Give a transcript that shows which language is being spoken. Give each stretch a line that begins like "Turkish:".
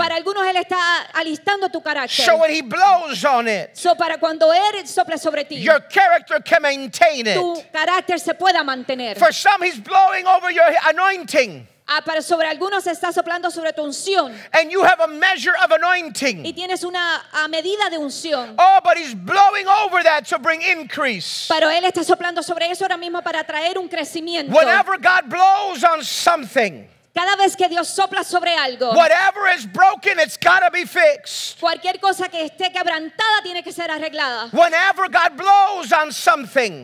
Spanish: Para algunos él está alistando tu carácter.
English: So when he blows on it.
Spanish: So para cuando él sopla sobre ti.
English: Your character can maintain it.
Spanish: Tu carácter se pueda mantener.
English: For some, he's blowing over your anointing.
Spanish: Para sobre algunos está soplando sobre tu unción.
English: And you have a measure of anointing.
Spanish: Y tienes una medida de unción.
English: Oh, but he's blowing over that to bring increase.
Spanish: Pero él está soplando sobre eso ahora mismo para traer un crecimiento.
English: Whenever God blows on something.
Spanish: Cada vez que Dios sopla sobre algo.
English: Whatever is broken, it's gotta be fixed.
Spanish: Cualquier cosa que esté quebrantada tiene que ser arreglada.
English: Whenever God blows on something.